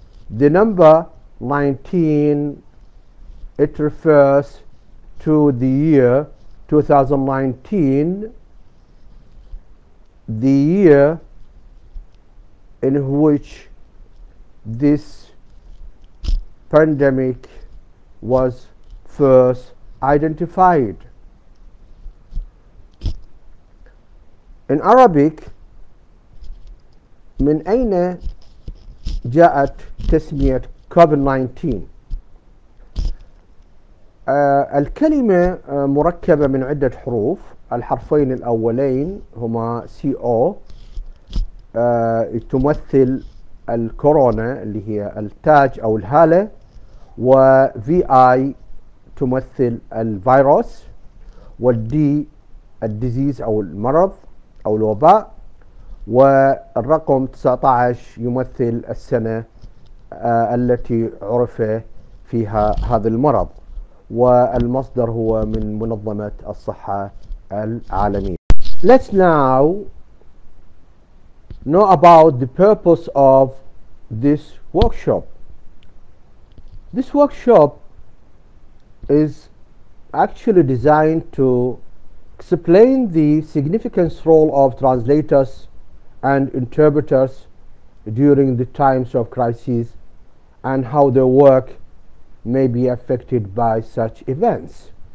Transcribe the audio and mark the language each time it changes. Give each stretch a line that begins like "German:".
English: The number 19, it refers to the year 2019, the year in which this pandemic was first identified. In Arabic,
Arabic: من أين جاءت تسمية COVID-19؟ الكلمة مركبة من عدة حروف. الحرفين الأولين هما CO. تمثل الكورونا اللي هي التاج أو الهالة و VI تمثل الفيروس و D الديزيز أو المرض أو الوباء والرقم 19 يمثل السنة التي عرف فيها هذا المرض والمصدر هو من منظمة الصحة العالمية.
English: Let's now know about the purpose of this workshop. This workshop is actually designed to explain the significant role of translators and interpreters during the times of crises and how their work may be affected by such events.